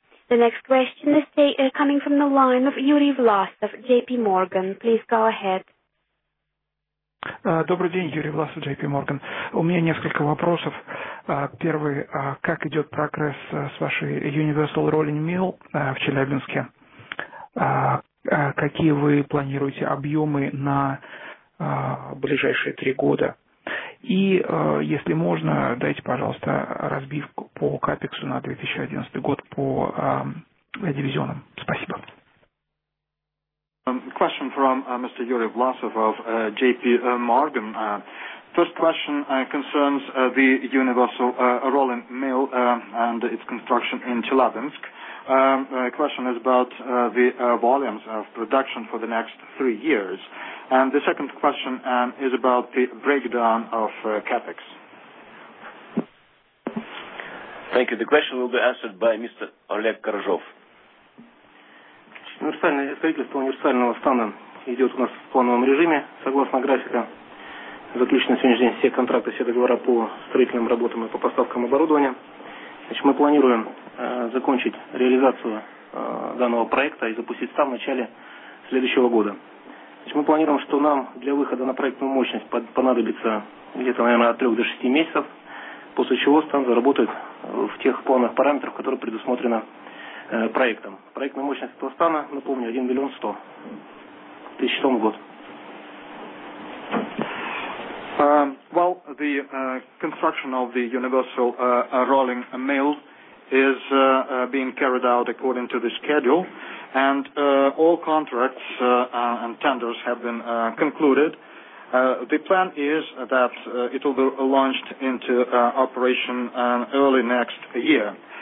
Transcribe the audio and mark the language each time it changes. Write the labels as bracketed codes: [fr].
[en] The next question is coming from the line of Yuri Vlasov, JP Morgan. Please go ahead. [ru] Добрый день, Юрий Власов, JP Morgan. У меня несколько вопросов. Первый, как идет прогресс с вашей Universal Rolling Mill в Челябинске? Какие вы планируете объемы на ближайшие три года? И, если можно, дайте, пожалуйста, разбивку по капексу на 2011 год по дивизионам. Спасибо. [en] Question from Mr. Yuri Vlasov of JP Morgan. First question concerns the Universal Rolling Mill and its construction in Chelyabinsk. Question is about the volumes of production for the next 3 years. And the second question is about the breakdown of CAPEX. Thank you. The question will be answered by Mr. Oleg Korzhov. [ru] Строительство универсального стана идет у нас в плановом режиме, согласно графика. заключены на сегодняшний день все контракты, все договора по строительным работам и по поставкам оборудования. Значит, мы планируем закончить реализацию данного проекта и запустить ставку в начале следующего года. Значит, мы планируем, что нам для выхода на проектную мощность понадобится где-то, наверное, от 3 до 6 месяцев, после чего стан заработает в тех планах параметрах, которые предусмотрены проектом. Проектная мощность этого стана, напомню, 1 100 000 тонн в год. [en] Well, the construction of the universal rolling mill is being carried out according to the schedule, and all contracts and tenders have been concluded. The plan is that it will be launched into operation early next year.